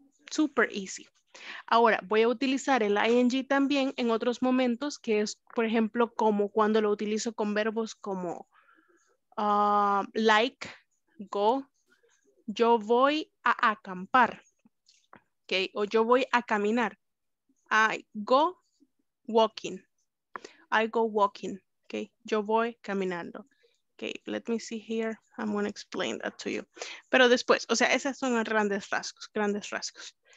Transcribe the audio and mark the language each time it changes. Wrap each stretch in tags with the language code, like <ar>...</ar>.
<es>Super easy. Ahora, voy a utilizar el ing también en otros momentos, que es, por ejemplo, como cuando lo utilizo con verbos como like, go, yo voy a acampar, okay, o yo voy a caminar,</es> <en>I go walking, I go walking,</en> <es>okay, yo voy caminando.</es> <en>Okay, let me see here, I'm going to explain that to you.</en> <es>Pero después, o sea, esos son grandes rasgos.</es>